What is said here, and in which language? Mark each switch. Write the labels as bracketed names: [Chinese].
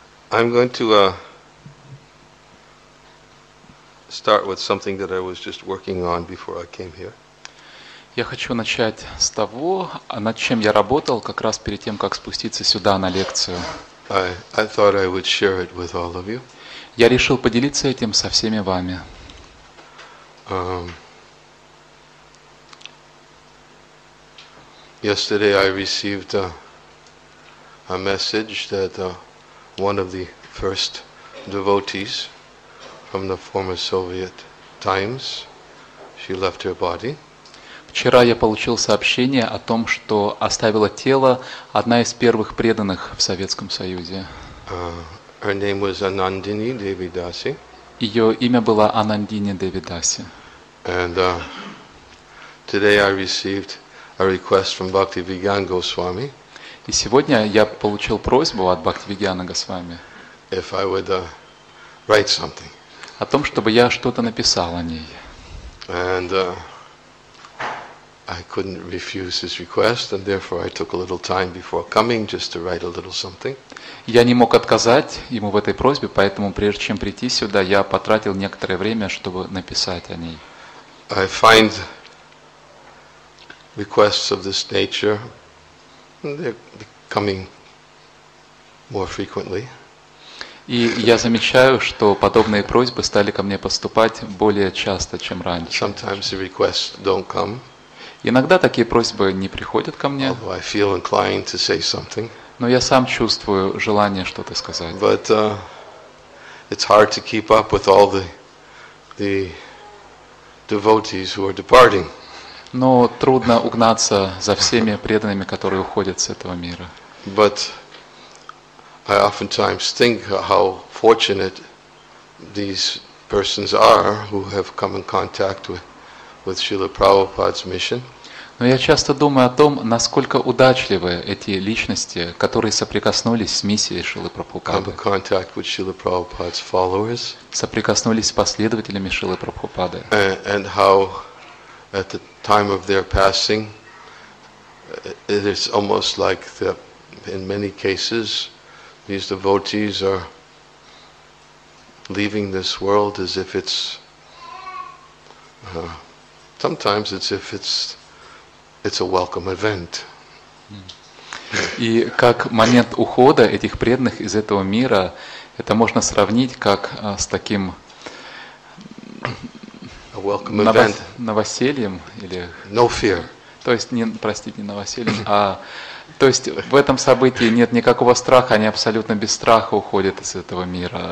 [English] I'm going to start with something that I was just working on before I came here. [Russian] Я хочу начать с того, над чем я работал как раз перед тем, как спуститься сюда на лекцию. [English] I thought I would share it with all of you. [Russian] Я решил поделиться этим со всеми вами. [English] Yesterday I received a message that one of the first devotees from the former Soviet times. She left her body. [Russian] Вчера я получил сообщение о том, что оставила тело одна из первых преданных в Советском Союзе. [English] Her name was Anandini Devi Dasi. [Russian] Ее имя было Анандини Деви Даси. [English] And today I received a request from Bhakti Vigyan Goswami. [Russian] И сегодня я получил просьбу от Бхакти Вигьяна Госвами. [English] If I would write something. [Russian] О том, чтобы я что-то написал о ней. [English] And I couldn't refuse his request, and therefore I took a little time before coming just to write a little something. [Russian] Я не мог отказать ему в этой просьбе, поэтому прежде чем прийти сюда, я потратил некоторое время, чтобы написать о ней. [English] I find requests of this nature, they're becoming more frequently. [Russian] И я замечаю, что подобные просьбы стали ко мне поступать более часто, чем раньше. [English] Sometimes the requests don't come. [Russian] Иногда такие просьбы не приходят ко мне. [English] Although I feel inclined to say something. [Russian] Но я сам чувствую желание что-то сказать. [English] But it's hard to keep up with all the devotees who are departing. [Russian] Но трудно угнаться за всеми преданными, которые уходят с этого мира. [English] But I oftentimes think how fortunate these persons are who have come in contact with Srila Prabhupada's mission. [Russian] Но я часто думаю о том, насколько удачливы эти личности, которые соприкоснулись с миссией Шрилы Прабхупады. [English] Come in contact with Srila Prabhupada's followers. [Russian] Соприкоснулись с последователями Шрилы Прабхупады. [English] And how at the time of their passing it is almost like the in many cases these devotees are leaving this world as if it's sometimes it's if it's a welcome event. [Russian] И как момент ухода этих преданных из этого мира, это можно сравнить как с таким [English] a welcome event. [Russian] Новосельем или [English] no fear. [Russian] То есть не простите, не новосельем, а то есть в этом событии нет никакого страха, они абсолютно без страха уходят из этого мира.